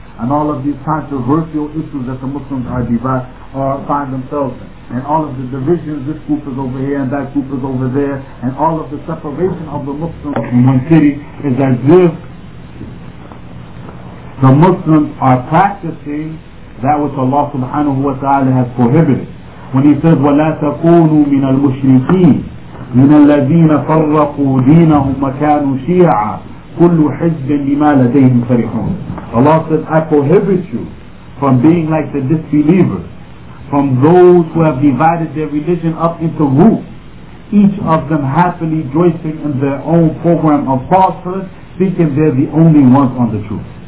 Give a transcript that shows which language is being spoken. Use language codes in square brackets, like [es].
[en] And all of these controversial issues that the Muslims find themselves in. And all of the divisions, this group is over here and that group is over there. And all of the separation of the Muslims in one city is as if the Muslims are practicing that which Allah subhanahu wa ta'ala has prohibited. When He says, [ar] وَلَا تَكُونُوا مِنَ الْمُشْرِكِينَ مِنَ الَّذِينَ فَرَّقُوا دِينَهُمْ وَكَانُوا شِيَعًا كُلُّ حِزْبٍ لِمَا لَدَيْهِمْ فَرِحُونَ. [en] Allah says, I prohibit you from being like the disbelievers, from those who have divided their religion up into groups, each of them happily joining in their own program of falsehood, thinking they're the only ones on the truth.